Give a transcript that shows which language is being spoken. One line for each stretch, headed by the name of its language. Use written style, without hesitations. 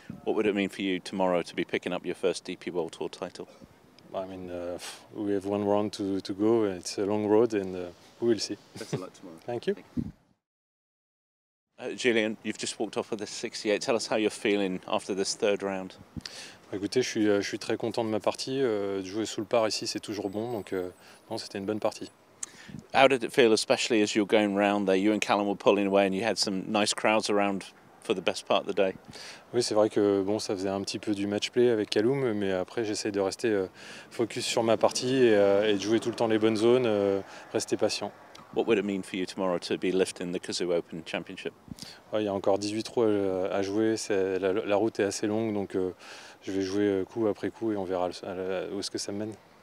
English: What would it mean for you tomorrow to be picking up your first DP World Tour title? I mean, we have one round to go. It's a long road, and we will see. Best of luck tomorrow. Thank you. Julien, you've just walked off with a 68. Tell us how you're feeling after this third round.
French: Écoutez, je suis très content de ma partie. De jouer sous le par ici, c'est toujours bon. Donc, non, c'était une bonne partie.
English: How did it feel, especially as you were going round there? You and Callum were pulling away, and you had some nice crowds around for the best part of the day.
French: Oui, c'est vrai que bon, ça faisait un petit peu du match play avec Callum, mais après j'essaie de rester focus sur ma partie et de jouer tout le temps les bonnes zones, rester patient.
English: What would it mean for you tomorrow to be lifting the Cazoo Open Championship?
French: Ouais, il y a encore 18 trous à jouer, la route est assez longue, donc je vais jouer coup après coup et on verra où est-ce que ça me mène.